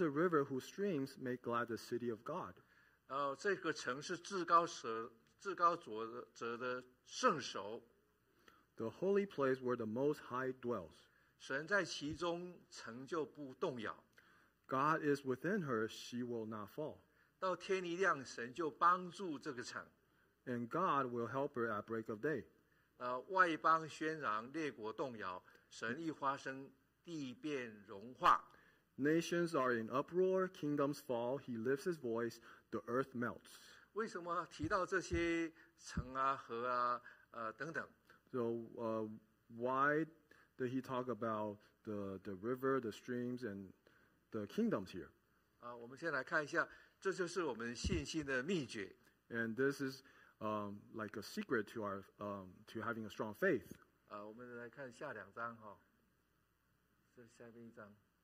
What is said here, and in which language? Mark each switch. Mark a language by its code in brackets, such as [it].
[en] a river whose streams make glad the city of God. [zh] 这个城是至高者的圣所。 [en] The holy place where the Most High dwells. [zh] 神在其中，城就不动摇。 [en] God is within her, she will not fall. [zh] 到天一亮, 神就帮助这个场, [en] and God will help her at break of day. [zh] 外邦喧嚷, 列国动摇, 神一发声, 地变融化, [en] nations are in uproar, kingdoms fall, he lifts his voice, the earth melts. [zh] 为什么提到这些城啊,河啊, 等等? [en] So why did he talk about the river, the streams, and the kingdoms here? [zh] 我们先来看一下, 这就是我们信心的秘诀。 [en] And this is like a secret to our to having a strong faith. [zh] 我们来看下两章, 这下面一章。